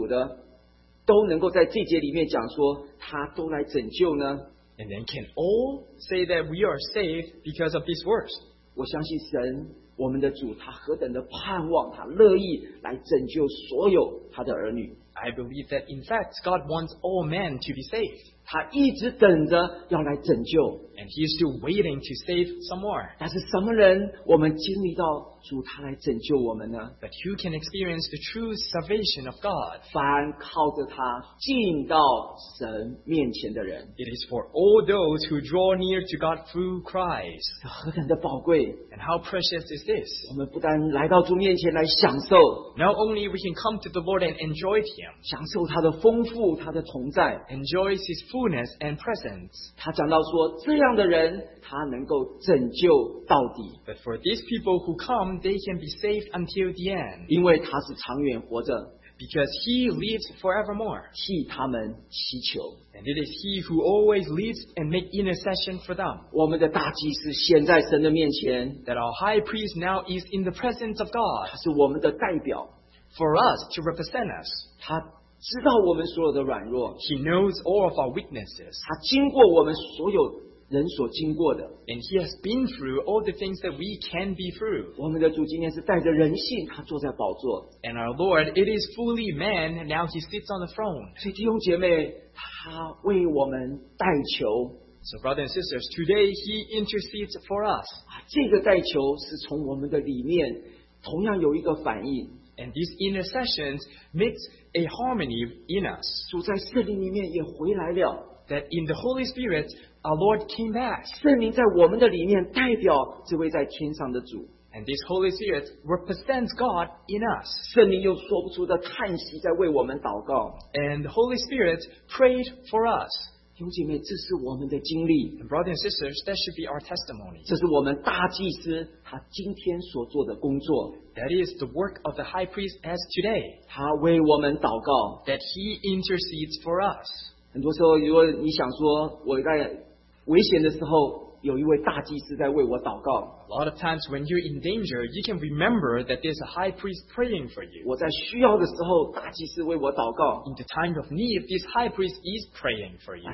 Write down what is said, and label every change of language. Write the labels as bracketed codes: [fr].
[zh] 是不是所有已经信主的都能够在这节里面讲说, 他都来拯救呢? [en] And then can all say that we are saved because of these works? [zh] 我相信神, 我们的主, 他何等的盼望, 他乐意来拯救所有他的儿女。 [en] I believe that in fact God wants all men to be saved. And he is still waiting to save some more. [zh] 但是什么人, 我们经历到主他来拯救我们呢? [en] But who can experience the true salvation of God? [zh] 凡靠着他进到神面前的人, [en] it is for all those who draw near to God through Christ. [zh] 何等的宝贵, [en] and how precious is this? [zh] 我们不单来到主面前来享受, [en] not only we can come to the Lord and enjoy Him, [zh] 享受他的丰富, 他的同在, [en] enjoy His fullness and presence. [zh] 他讲到说, 这样的人, 他能够拯救到底, [en] but for these people who come, they can be saved until the end. [zh] 因为他是长远活着, [en] because He lives forevermore. [zh] 替他们祈求, [en] and it is He who always lives and makes intercession for them. [zh] 我们的大祭司现在神的面前, [en] that our high priest now is in the presence of God. [zh] 他是我们的代表, [en] for us to represent us. [zh] 他知道我们所有的软弱, [en] He knows all of our weaknesses. [zh] 他经过我们所有 [en] and He has been through all the things that we can be through. [zh] 我们的主今天是带着人性, [en] and our Lord, it is fully man, and now He sits on the throne. [zh] 所以弟兄姐妹, [en] so brothers and sisters, today He intercedes for us. [zh] 这个代求是从我们的里面同样有一个反应, [en] and these intercessions makes a harmony in us. [zh] 主在圣灵里面也回来了, [en] that in the Holy Spirit, our Lord came back. [zh] 圣灵在我们的里面代表这位在天上的主, [en] and this Holy Spirit represents God in us. [zh] 圣灵用说不出的叹息在为我们祷告, [en] and the Holy Spirit prayed for us. [zh] 兄姐妹,这是我们的经历, [en] and brothers and sisters, that should be our testimony. [zh] 这是我们大祭司他今天所做的工作, [en] that is the work of the high priest as today. [zh] 他为我们祷告, [en] that He intercedes for us. [zh] 很多时候如果你想说我在危险的时候有一位大祭司在为我祷告, [en] a lot of times when you're in danger, you can remember that there's a high priest praying for you. [zh] 我在需要的时候大祭司为我祷告, [en] in the time of need, this high priest is praying for you.